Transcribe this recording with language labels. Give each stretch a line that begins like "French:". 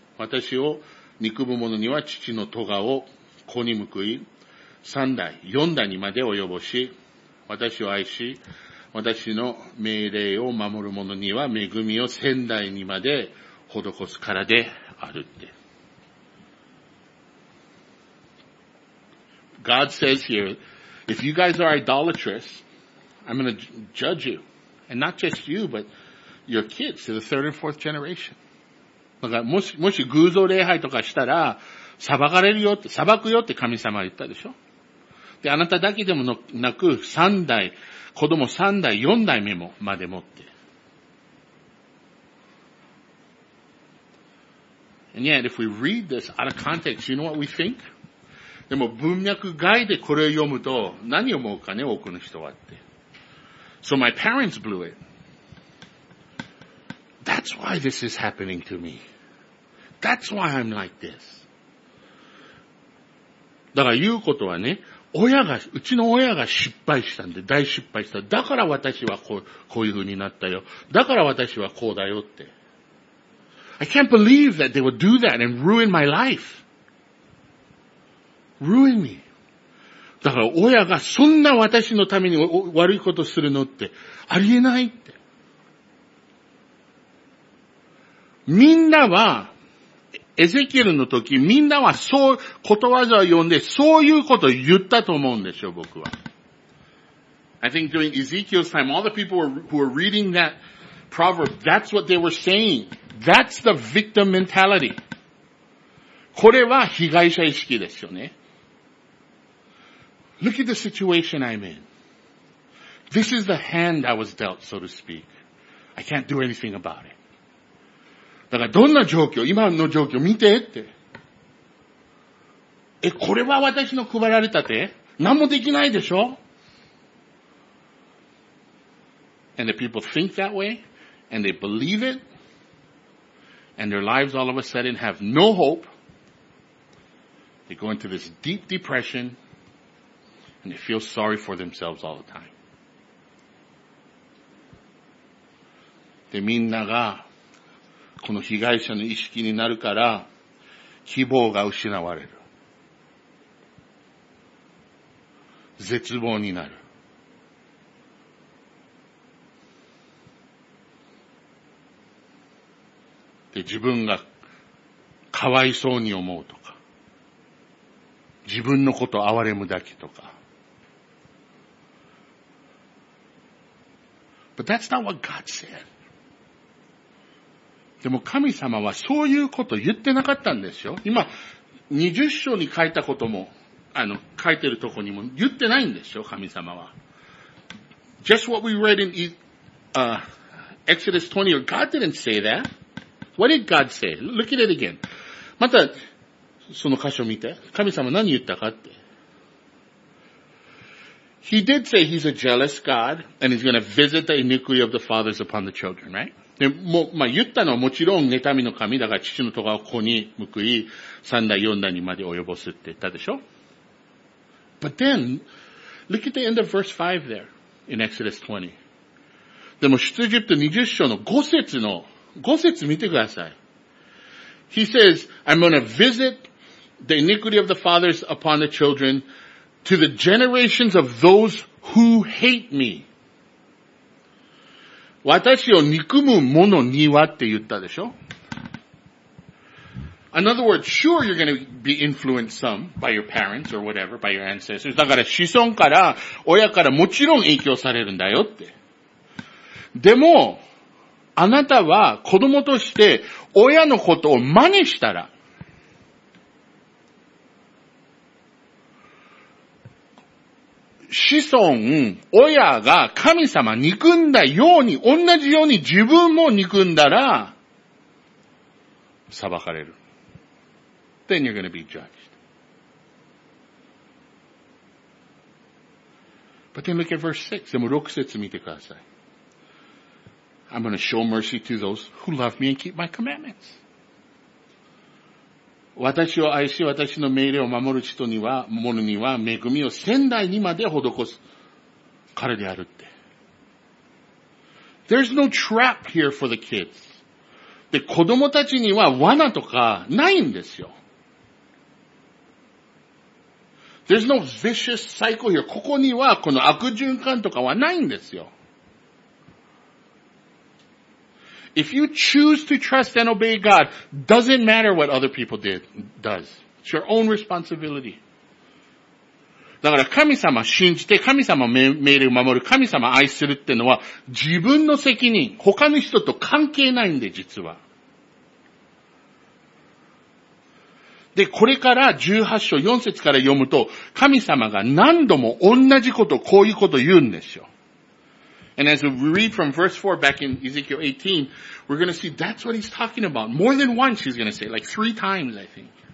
Japanese: 私を憎む者には父の咎を子に報い、三代、四代にまで及ぼし、私を愛し、私の命令を守る者には恵みを仙台にまで施すからであるって。
English: God says here, if you guys are idolatrous, I'm going to judge you. And not just you, but your kids to the third and fourth generation.
Japanese: だからもし偶像礼拝とかしたら、裁くよって神様は言ったでしょ。で、あなただけでもなく、三代、子供三代、四代目もまでもって。
English: And yet, if we read this out of context, you know what we think?
Japanese: でも、文脈外でこれを読むと、何を思うかね、多くの人はって。
English: So my parents blew it. That's why this is happening to me. That's why I'm like this.
Japanese: だから言うことはね、うちの親が失敗したんで、大失敗した。だから私はこういう風になったよ。だから私はこうだよって。
English: I can't believe that they would do that and ruin my life. Ruin me.
Japanese: だから親がそんな私のために悪いことするのってありえないって。みんなは、エゼキエルの時、みんなはそう、ことわざを読んで、そういうことを言ったと思うんでしょう、僕は。
English: I think during Ezekiel's time, all the people who were reading that proverb, that's what they were saying. That's the victim mentality.
Japanese: これは被害者意識ですよね。
English: Look at the situation I'm in. This is the hand I was dealt, so to speak. I can't do anything about it.
Japanese: だからどんな状況、今の状況見てって。これは私の配られたて、何もできないでしょ。
English: And the people think that way, and they believe it, and their lives all of a sudden have no hope. They go into this deep depression, and they feel sorry for themselves all the time.
Japanese: で、みんなが、この被害者の意識になるから希望が失われる。絶望になる。で、自分がかわいそうに思うとか、自分のこと哀れむだけとか。
English: But that's not what God said.
Japanese: でも神様はそういうこと言ってなかったんですよ。今、20章に書いたことも、書いてるとこにも言ってないんですよ、神様は。
English: Just what we read in Exodus 20, God didn't say that. What did God say? Look at it again.
Japanese: また、その箇所見て。神様何言ったかって。
English: He did say he's a jealous God and he's going to visit the iniquity of the fathers upon the children, right?
Japanese: で、もう、まあ、言ったのはもちろん、妬みの神だから父の戸川を子に報い、三代四代にまで及ぼすって言ったでしょ ?
English: But then, look at the end of verse 5 there, in Exodus 20.
Japanese: でも、出エジプト20章の5節見てください。
English: He says, I'm going to visit the iniquity of the fathers upon the children,To the generations of those who hate me.
Japanese: 私を憎む者にはって言ったでしょ?
English: In other words, sure you're going to be influenced some by your parents or whatever, by your ancestors.
Japanese: だから子孫から親からもちろん影響されるんだよって。でも、あなたは子供として親のことを真似したら、子孫、親が神様憎んだように、同じように自分も憎んだら、裁かれる。
English: Then you're gonna be judged. But then look at verse 6.
Japanese: でも6節見てください。
English: I'm gonna show mercy to those who love me and keep my commandments.
Japanese: 私を愛し、私の命令を守る人には、者には、恵みを仙台にまで施す。彼であるって。
English: There's no trap here for the kids.
Japanese: で、子供たちには罠とかないんですよ。
English: There's no vicious cycle here.
Japanese: ここにはこの悪循環とかはないんですよ。
English: If you choose to trust and obey God, doesn't matter what other people does. It's your own responsibility.
Japanese: だから神様信じて、神様命令を守る、神様愛するってのは自分の責任、他の人と関係ないんで、実は。で、これから18章4節から読むと、神様が何度も同じこと、こういうこと言うんですよ。
English: And as we read from verse 4 back in Ezekiel 18, we're going to see that's what he's talking about. More than once he's going to say, like 3 times I think.